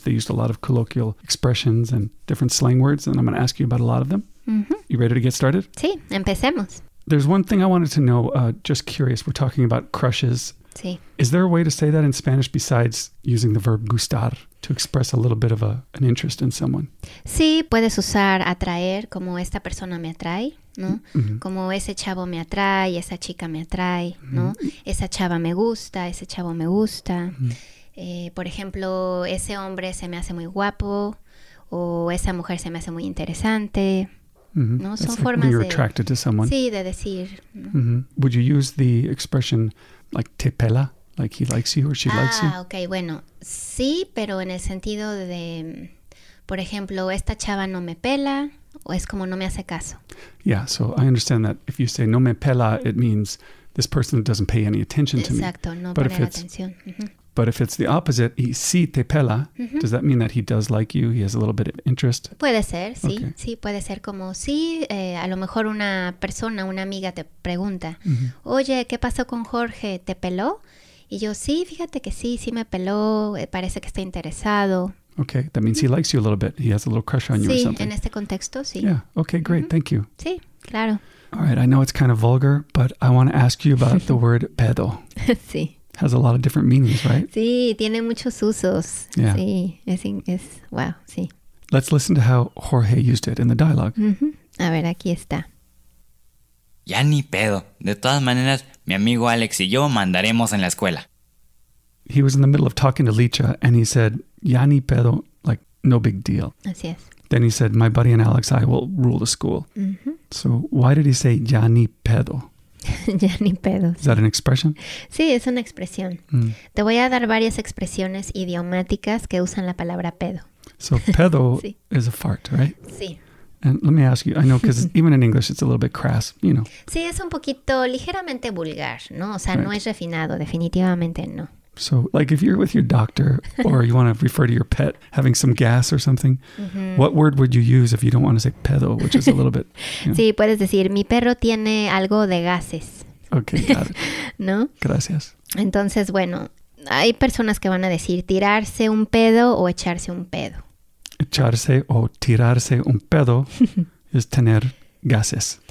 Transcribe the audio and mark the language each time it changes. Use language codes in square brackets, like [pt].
[en] They used a lot of colloquial expressions and different slang words, and I'm going to ask you about a lot of them. You ready to get started? [es] Sí, empecemos. [en] There's one thing I wanted to know, just curious. We're talking about crushes. [es] Sí. [en] Is there a way to say that in Spanish besides using the verb gustar to express a little bit of an interest in someone? [es] Sí, puedes usar atraer, como esta persona me atrae, ¿no? Como ese chavo me atrae, esa chica me atrae, ¿no? Esa chava me gusta, ese chavo me gusta. Por ejemplo, ese hombre se me hace muy guapo, o esa mujer se me hace muy interesante. ¿No? Son [en] like [es] formas [en] you're attracted [es] de, [en] to someone. [es] Sí, de decir. [en] Would you use the expression like [es] te pela, [en] like he likes you or she likes you? [es] Ah, okay, bueno, sí, pero en el sentido de, por ejemplo, esta chava no me pela, o es como no me hace caso. [en] Yeah, so I understand that if you say [es] no me pela, [en] it means this person doesn't pay any attention to [es] Exacto, [en] me. [es] Exacto, no pone atención. [en] But if it's the opposite, [es] y si te pela, [en] does that mean that he does like you, he has a little bit of interest? [es] Puede ser, sí. [en] Okay. [es] Sí, puede ser como si a lo mejor una persona, una amiga te pregunta, oye, ¿qué pasó con Jorge? ¿Te peló? Y yo, sí, fíjate que sí, sí me peló, parece que está interesado. [en] Okay, that means he likes you a little bit, he has a little crush on you [es] sí, [en] or something. [es] Sí, en este contexto, sí. [en] Yeah, okay, great, thank you. [es] Sí, claro. [en] All right, I know it's kind of vulgar, but I want to ask you about the word pedo. [es] Sí. [en] Has a lot of different meanings, right? [es] Sí, tiene muchos usos. [en] Yeah. [es] Sí, es, wow, sí. [en] Let's listen to how Jorge used it in the dialogue. [es] A ver, aquí está. Ya ni pedo. De todas maneras, mi amigo Alex y yo mandaremos en la escuela. [en] He was in the middle of talking to Licha and he said, [es] ya ni pedo, [en] like, no big deal. [es] Así es. [en] Then he said, my buddy and Alex, I will rule the school. So why did he say [es] ya ni pedo? Ya ni pedo. [en] Is that an expression? [es] Sí, es una expresión. Te voy a dar varias expresiones idiomáticas que usan la palabra pedo. [en] So pedo is a fart, right? [es] Sí. [en] And let me ask you, I know because even in English it's a little bit crass, you know. [es] Sí, es un poquito ligeramente vulgar, ¿no? O sea, [en] right. [es] No es refinado, definitivamente no. [en] So like if you're with your doctor or you want to refer to your pet having some gas or something, what word would you use if you don't want to say pedo, which is a little bit... [es] Sí, puedes decir, mi perro tiene algo de gases. [en] Okay, got it. [es] ¿No? Gracias. Entonces, bueno, hay personas que van a decir tirarse un pedo o echarse un pedo. Echarse o tirarse un pedo es tener gases.